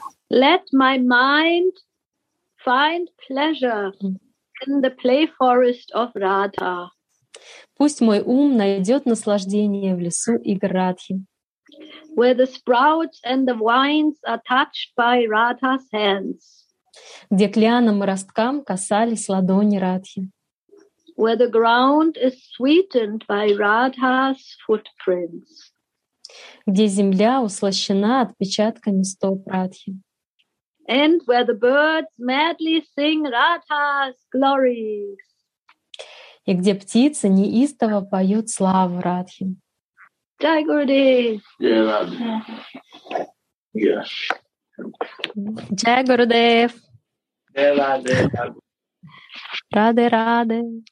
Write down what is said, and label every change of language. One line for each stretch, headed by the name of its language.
English: Let my mind find pleasure in the play forest of Radha.
Russian: Пусть мой ум найдет наслаждение в лесу игр Радхи.
English: Where the sprouts and the vines are touched by Radha's hands.
Russian: Где к лианам и росткам касались ладони Радхи.
English: Where the ground is sweetened by Radha's footprints.
Russian: Где земля услащена отпечатками стоп Радхи.
English: And where the birds madly sing Radha's glories.
Russian: И где птица неистово поет славу Радхи.
Hindi: Jai Gurudev. Jai Radhe.
English: Yes.
Hindi: Jai Gurudev. Jai Radhe. Radhe Radhe.